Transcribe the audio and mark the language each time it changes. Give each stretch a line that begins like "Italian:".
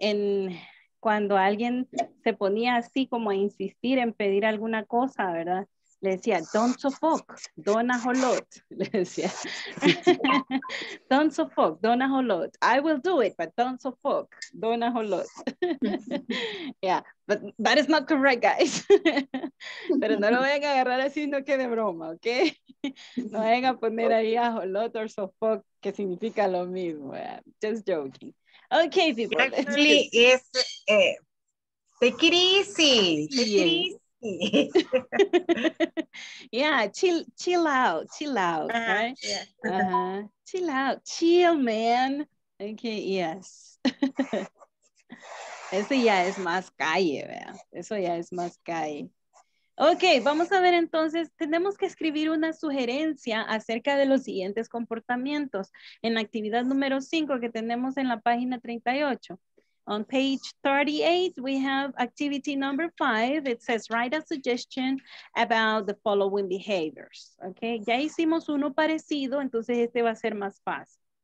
Spanish: And cuando alguien se ponía así como a insistir en pedir alguna cosa, ¿verdad? Le decía,
English: don't sofoc, don't a whole lot. Le decía, don't sofoc, don't a whole lot. I will do it, but don't sofoc, don't a whole lot. Yeah, but that is not correct, guys.
Spanish: Pero no lo vayan a agarrar así, no quede broma, ¿ok? No vayan a poner ahí
English: a whole lot
Spanish: or sofoc, que significa lo mismo.
English: Just joking. Okay, people. Actually, it's, take it easy. Yeah, chill out, right? Yeah. Chill out, chill, man. Okay, yes.
Spanish: Eso ya es más calle, vea. Eso ya es más calle. Okay, vamos a ver entonces, tenemos que escribir una sugerencia acerca de los siguientes comportamientos en la actividad número 5 que tenemos en la página 38.
English: On page 38, we have activity number 5. It says, write a suggestion about the following behaviors.
Spanish: Okay, ya hicimos uno parecido, entonces este va a ser más fácil.